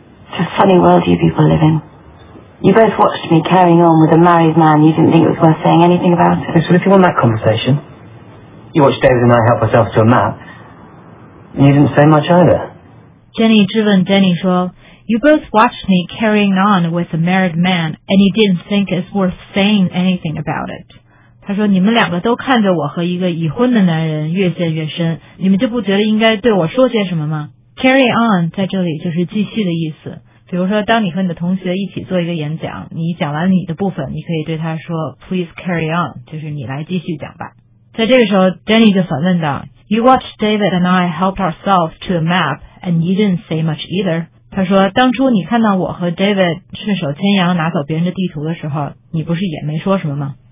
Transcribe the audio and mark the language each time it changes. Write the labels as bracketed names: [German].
[English] It's a funny world you people live in. You both watched me carrying on with a married man you didn't think it was worth saying anything about. Yes, but if you want that conversation, you watched David and I help ourselves to a map, and you didn't say much either. Jenny [Chinese] 质问 [English] Danny 说 You both watched me carrying on with a married man, and you didn't think it's worth saying anything about it. [Chinese] 他说你们两个都看着我和一个已婚的男人越陷越深，你们就不觉得应该对我说些什么吗？ Carry on 在这里就是继续的意思。比如说当你和你的同学一起做一个演讲，你讲完你的部分，你可以对他说 [English] Please carry on, [Chinese] 就是你来继续讲吧。在这个时候 [English] Jenny [Chinese] 就反问道， [English] You watched David and I help ourselves to a map and you didn't say much either. [Chinese] 他说当初你看到我和 David 顺手牵羊拿走别人的地图的时候，你不是也没说什么吗？